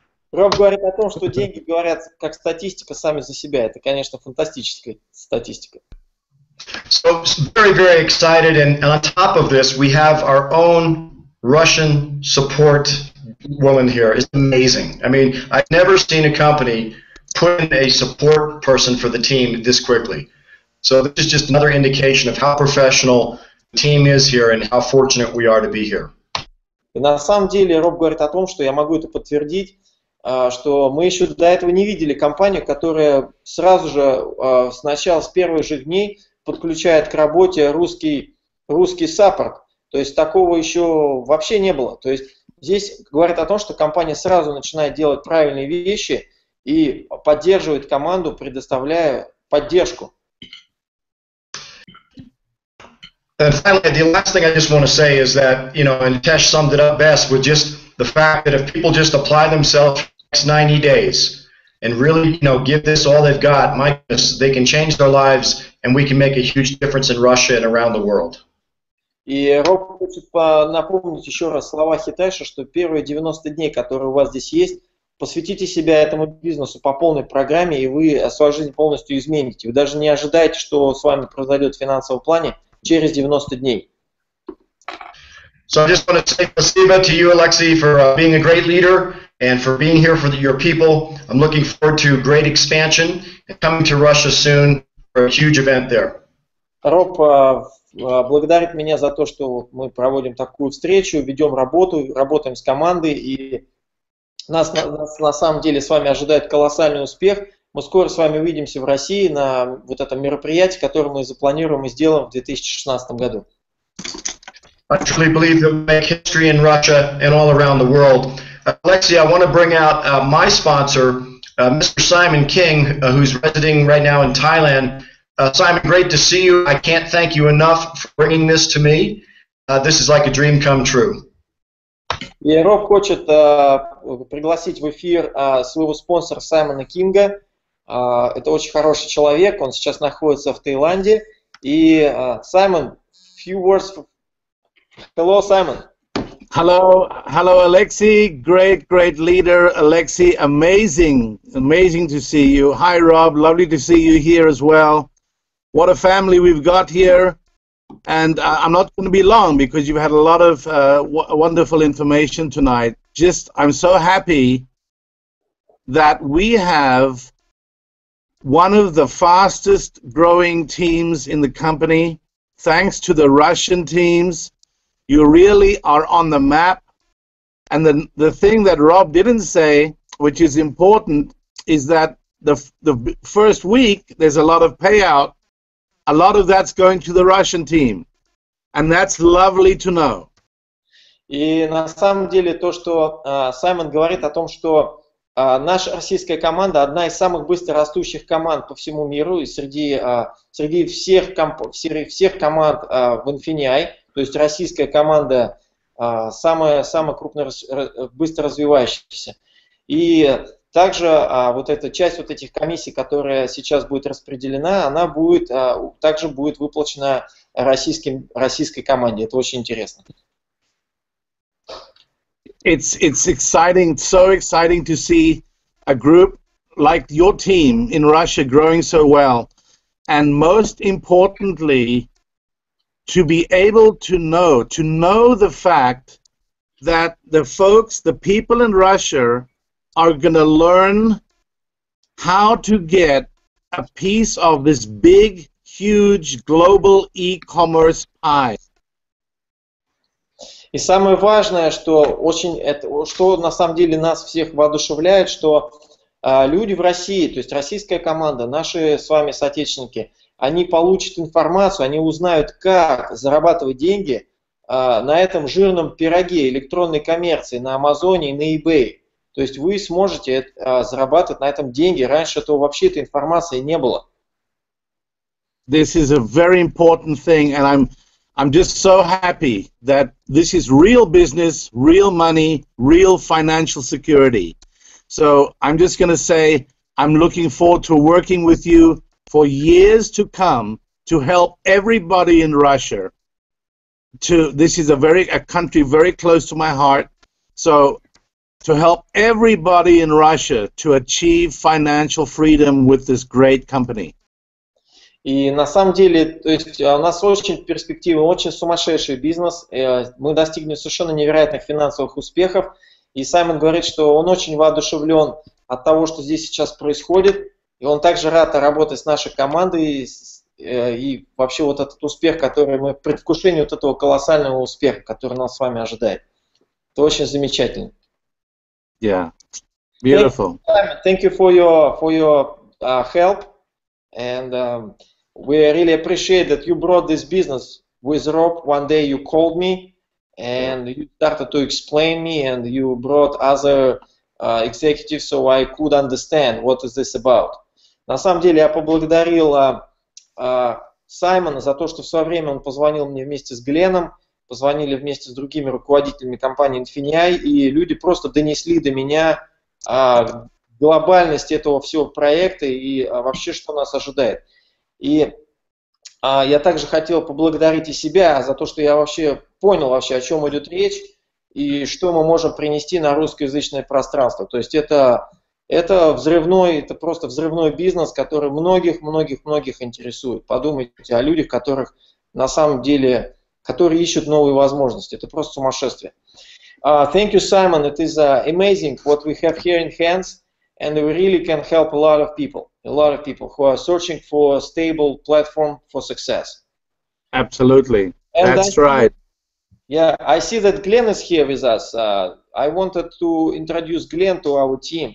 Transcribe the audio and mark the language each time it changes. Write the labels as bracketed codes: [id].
[ru] Роб говорит о том, что деньги говорят как статистика сами за себя. Это, конечно, фантастическая статистика. [en] So very, very excited, and on top of this, we have our own Russian support woman here. It's amazing. I mean, I've never seen a company put in a support person for the team this quickly. So this is just another indication of how professional the team is here and how fortunate we are to be here. [ru] И на самом деле Роб говорит о том, что я могу это подтвердить, что мы еще до этого не видели компанию, которая сразу же сначала с первых же дней подключает к работе русский саппорт. То есть такого еще вообще не было. То есть здесь говорит о том, что компания сразу начинает делать правильные вещи и поддерживает команду, предоставляя поддержку. [en] And finally, the last thing I just want to say is that, you know, and Tesh summed it up best with just the fact that if people just apply themselves for the next 90 days and really, you know, give this all they've got, my goodness, they can change their lives and we can make a huge difference in Russia and around the world. [ru] И Роб хочет напомнить еще раз слова Хитеша, что первые 90 дней, которые у вас здесь есть, посвятите себя этому бизнесу по полной программе, и вы свою жизнь полностью измените. Вы даже не ожидаете, что с вами произойдет в финансовом плане. Через 90 дней. [en] So I just want to say [ru] спасибо [en] to you, Alexei, for being a great leader and for being here for your people. I'm looking forward to great expansion and coming to Russia soon for a huge event there. [ru] Роб благодарит меня за то, что мы проводим такую встречу, ведем работу, работаем с командой, и нас на самом деле с вами ожидает колоссальный успех. Мы скоро с вами увидимся в России на вот этом мероприятии, которое мы запланируем и сделаем в 2016 году. [en] I truly believe that we'll make history in Russia and all around the world. Alexei, I want to bring out my sponsor, Mr. Simon King, who's residing right now in Thailand. Simon, great to see you. I can't thank you enough for bringing this to me. This is like a dream come true. [ru] И Роб хочет пригласить в эфир своего спонсора Саймона Кинга. Это очень хороший человек, он сейчас находится в Таиланде. [en] И Саймон, few words. Hello, Simon. Hello, hello, Alexei. Great, great leader, Alexei. Amazing, amazing to see you. Hi, Rob. Lovely to see you here as well. What a family we've got here. And I'm not going to be long because you've had a lot of wonderful information tonight. Just, I'm so happy that we have one of the fastest growing teams in the company, thanks to the Russian teams. You really are on the map. And the thing that Rob didn't say, which is important, is that the first week there's a lot of payout. A lot of that's going to the Russian team, and that's lovely to know. [ru] И на самом деле то, что Саймон говорит о том, что наша российская команда одна из самых быстро растущих команд по всему миру и среди всех команд в Infinii, то есть российская команда самая крупно быстро развивающаяся. И также вот эта часть вот этих комиссий, которая сейчас будет распределена, она будет также будет выплачена российской команде. Это очень интересно. [en] It's exciting, so exciting to see a group like your team in Russia growing so well, and most importantly, to be able to know the fact that the folks, the people in Russia are going to learn how to get a piece of this big, huge, global e-commerce pie. [ru] И самое важное, что на самом деле нас всех воодушевляет, что люди в России, то есть российская команда, наши с вами соотечественники, они получат информацию, они узнают, как зарабатывать деньги на этом жирном пироге электронной коммерции на Амазоне и на eBay. То есть вы сможете зарабатывать на этом деньги. Раньше этого вообще этой информации не было. [en] This is a very important thing, and I'm just so happy that this is real business, real money, real financial security. So I'm just going to say I'm looking forward to working with you for years to come to help everybody in Russia. This is a country very close to my heart. So to help everybody in Russia to achieve financial freedom with this great company. [ru] И на самом деле, то есть у нас очень перспективы, очень сумасшедший бизнес. Мы достигнем совершенно невероятных финансовых успехов. И Саймон говорит, что он очень воодушевлен от того, что здесь сейчас происходит. И он также рад работать с нашей командой и вообще вот этот успех, который мы в предвкушении вот этого колоссального успеха, который нас с вами ожидает. Это очень замечательно. [en] Yeah, beautiful. Thank you for your help, and we really appreciate that you brought this business with Rob. One day you called me, and you started to explain me, and you brought other executives, so I could understand what is this about. [ru] На самом деле, я поблагодарил Саймона за то, что в свое время он позвонил мне вместе с Гленом. Позвонили вместе с другими руководителями компании Infinii, и люди просто донесли до меня глобальность этого всего проекта и вообще, что нас ожидает. И я также хотел поблагодарить и себя за то, что я вообще понял, вообще, о чем идет речь, и что мы можем принести на русскоязычное пространство. То есть это просто взрывной бизнес, который многих интересует. Подумайте о людях, которых на самом деле... которые ищут новые возможности. Это просто сумасшествие. [en] Thank you, Simon. It is amazing what we have here in hands, and we really can help a lot of people who are searching for a stable platform for success. Absolutely. And that's right. Yeah, I see that Glenn is here with us. I wanted to introduce Glenn to our team.